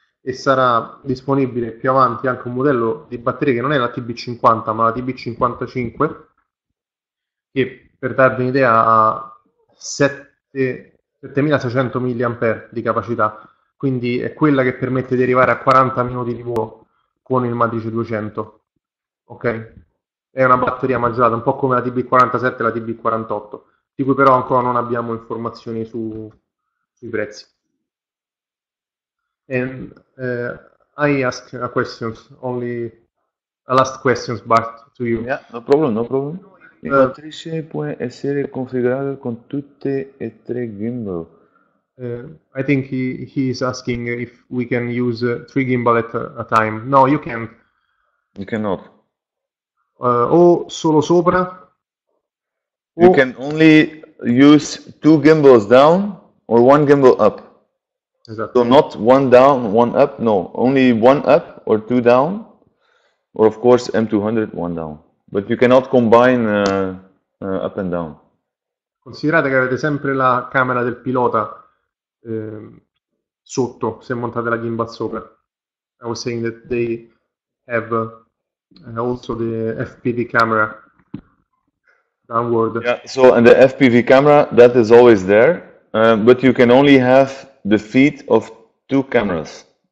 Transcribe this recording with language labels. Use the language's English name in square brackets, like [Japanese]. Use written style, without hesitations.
[Italian] E sarà disponibile più avanti anche un modello di batteria che non è la TB50, ma la TB55, che per darvi un'idea ha 7600 mAh di capacità, quindi è quella che permette di arrivare a 40 minuti di volo con il Matrice 200. Ok? È una batteria maggiorata, un po' come la TB47 e la TB48, di cui però ancora non abbiamo informazioni sui prezzi. [English] And I ask a question, only a last question, Bart, to you. Yeah, no problem, no problem. [Italian] La matrice può essere configurata con tutte e tre gimbal. [English] I think he is asking if we can use three gimbal at a time. No, you can't. You cannot. [Italian] O solo sopra, o [English] You can only use two gimbals down or one gimbal up. So [Italian] esatto. [English] not one down, one up, no. Only one up or two down. Or of course M200 one down. But you cannot combine up and down. [Italian] Considerate che avete sempre la camera del pilota sotto, se montate la gimbal sopra. [English] I was saying that they have also the FPV camera downward. Yeah, so and the FPV camera that is always there, but you can only have the feet of two cameras.